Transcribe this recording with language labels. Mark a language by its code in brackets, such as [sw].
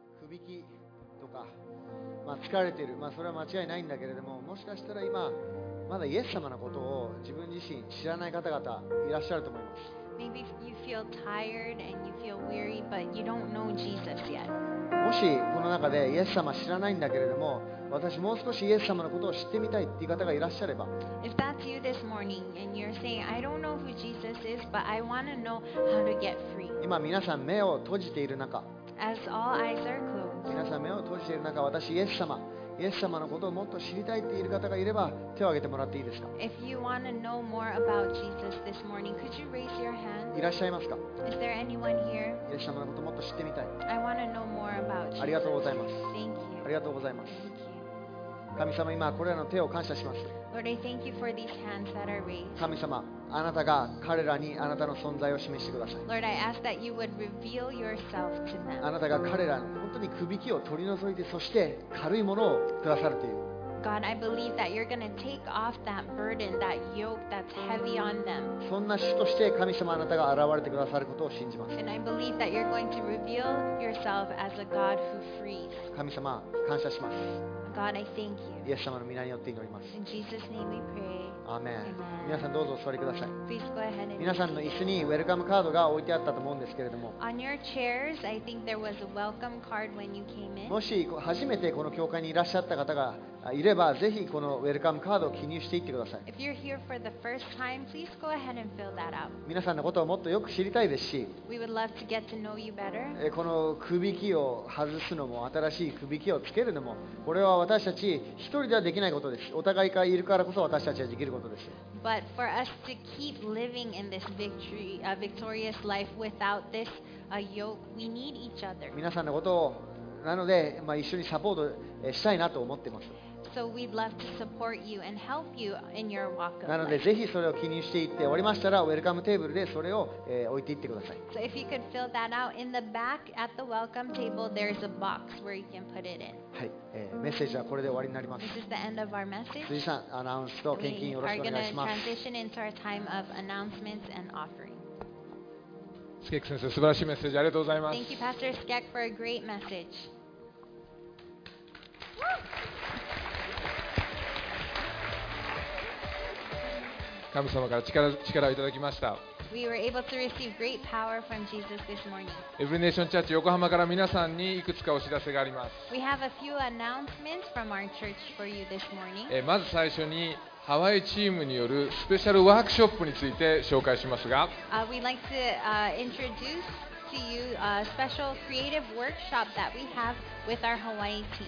[ja] びきとか、まあ、疲れている、まあ、それは間違いないんだけれども、もしかしたら今まだイエス様のことを自分自身知らない方々いらっしゃると思います。 [en] Maybe you feel tired and you feel weary, but you don't know Jesus yet. [ja] もしこの中でイエス様知らないんだけれども、私もう少しイエス様のことを知ってみたいっていう方がいらっしゃれば、 [en] If that's you this morning and you're saying, I don't know who Jesus is, but I want to know how to get free. [ja] 今皆さん目を閉じている中、 [en] As all eyes are closed. [ja] 皆さん目を閉じている中、私イエス様のことをもっと知りたいっている方がいれば手を挙げてもらっていいですか。 [en] If you want to know more about Jesus this morning, could you raise your hand? [ja] いらっしゃいますか。 [en] Is there anyone here? [ja] イエス様のことをもっと知ってみたい。 [en] I want to know more about Jesus. [ja] ありがとうございます。 [en] Thank you. [ja] ありがとうございます。 [en] Thank you. [ja] 神様、今これらの手を感謝します。 [en] Lord, I thank you for these hands that are raised. [ja] 神様、あなたが彼らにあなたの存在を示してください。 [en] Lord, I ask that you would reveal yourself to them. [ja] あなたが彼らの本当にくびきを取り除いて、そして軽いものをくださるという。 [en] God, I believe that you're going to take off that burden, that yoke that's heavy on them. [ja] そんな主として神様あなたが現れてくださることを信じます。 [en] And I believe that you're going to reveal yourself as a God who frees. [ja] 神様、感謝します。 [en] God, I thank you. [ja] イエス様の御名によって祈ります。 [en] In Jesus' name we pray. Amen. [ja] 皆さんどうぞお座りください。 [en] Please go ahead and [ja] 皆さんの椅子にウェルカムカードが置いてあったと思うんですけれども。 [en] On your chairs, I think there was a welcome card when you came in. [ja] もし初めてこの教会にいらっしゃった方がいれば、ぜひこのウェルカムカードを記入していってください。 [en] If you're here for the first time, please go ahead and fill that out. [ja] 皆さんのことをもっとよく知りたいですし、 [en] We would love to get to know you better. [ja] このくびきを外すのも、新しいくびきをつけるのも、これは私たち一人ではできないことです。お互いがいるからこそ私たちはできることです。 [en] But for us to keep living in this victory, a victorious life without this yoke, we need each other. [ja] 皆さんのことを、なので、まあ、一緒にサポートしたいなと思っています。 [en] So we'd love to support you and help you in your walk of life. [ja] なので、ぜひそれを記入していって、終わりましたら、ウェルカムテーブルでそれを、置いていってください。 [en] So if you could fill that out, in the back at the welcome table, there's a box where you can put it in. [ja] はい、メッセージはこれで終わりになります。 [en] This is the end of our message. [ja] 辻さん、アナウンスと献金よろしくお願いします。 [en] We are going to transition into our time of announcements and offering. [ja] スケック先生、素晴らしいメッセージありがとうございます。 [en] Thank you, Pastor Skek, for a great message. [ja] 神様から力をいただきました。 [en] We were able to receive great power from Jesus this morning. [ja] Every Nation Church 横浜から皆さんにいくつかお知らせがあります。 [en] We have a few announcements from our church for you this morning. [ja] まず最初にハワイチームによるスペシャルワークショップについて紹介しますが、 [en] We'd like to introduce to you a special creative workshop that we have with our Hawaii team.